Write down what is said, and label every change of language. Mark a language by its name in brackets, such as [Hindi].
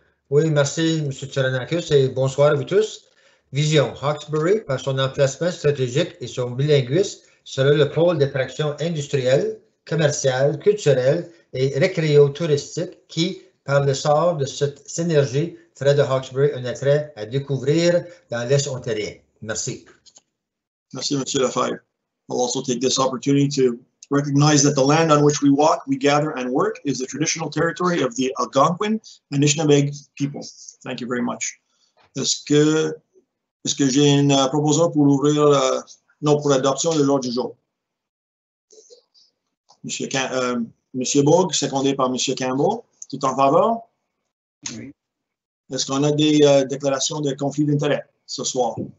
[French] Oui, merci, Monsieur Tsaranakis, et bonsoir à vous tous. Vision, Hawkesbury, par son emplacement stratégique et son bilinguisme, sera le pôle d'attraction industrielle, commerciale, culturelle et récréo-touristique qui, par l'essor de cette synergie, fera de Hawkesbury un attrait à découvrir dans l'Est ontarien. Merci. Merci, Monsieur Lefebvre. [English] I'll also take this opportunity to recognize that the land on which we walk, we gather and work is the traditional territory of the Algonquin Anishinaabeg people. Thank you very much. [French] Est-ce que j'ai une proposition pour ouvrir pour l'adoption de l'ordre du jour? Monsieur Bogue, secondé par Monsieur Campbell, tout en faveur? Oui. Est-ce qu'on a des déclarations de conflit d'intérêt ce soir?